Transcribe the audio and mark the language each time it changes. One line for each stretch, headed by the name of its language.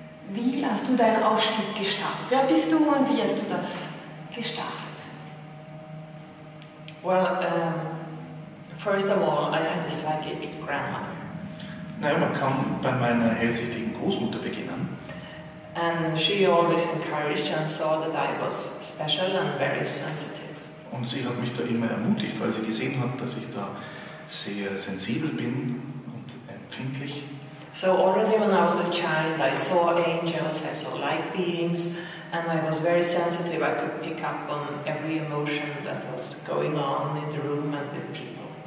German: Wie hast du deinen Aufstieg gestartet? Wer bist du und wie hast du das gestartet?
English: Well, first of all, I had a psychic grandmother.
German: Naja, man kann bei meiner hellsichtigen Großmutter beginnen.
English: And she always encouraged and saw that I was special and very sensitive.
German: Und sie hat mich da immer ermutigt, weil sie gesehen hat, dass ich da sehr sensibel bin und empfindlich.
English: So already when I was a child, I saw angels, I saw light beings, and I was very sensitive. I could pick up on every emotion that was going on in the room and with people.